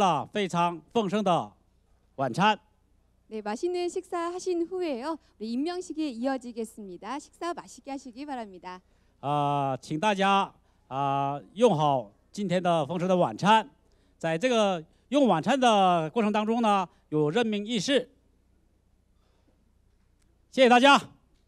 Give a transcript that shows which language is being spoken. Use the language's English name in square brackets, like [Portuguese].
[Chinese] 我们呢为了大家的到来，准备了非常丰盛的晚餐。 [Korean] 네, 맛있는 식사 하신 후에요, 우리 임명식이 이어지겠습니다. 식사 맛있게 하시기 바랍니다. [Chinese] 请大家用好今天的丰盛的晚餐，在这个用晚餐的过程当中呢，有任命仪式。谢谢大家。